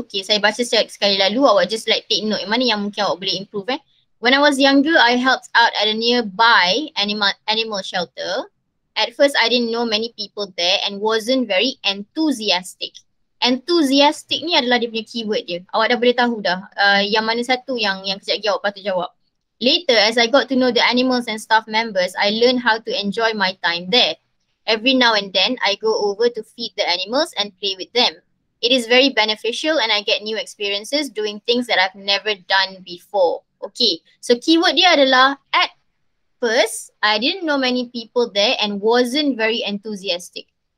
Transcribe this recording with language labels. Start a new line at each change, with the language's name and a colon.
Malay: Okay, saya baca sekali lalu, awak just like take note mana yang mungkin awak boleh improve eh.
English: When I was younger, I helped out at a nearby animal shelter. At first, I didn't know many people there and wasn't very enthusiastic.
Malay: Enthusiastic ni adalah dia punya keyword dia. Awak dah boleh tahu dah yang mana satu yang kejap lagi awak patut jawab.
English: Later, as I got to know the animals and staff members, I learned how to enjoy my time there. Every now and then, I go over to feed the animals and play with them. It is very beneficial and I get new experiences doing things that I've never done before. Okay, so keyword
Malay: dia adalah,
English: at first, I didn't know many people there and wasn't very enthusiastic.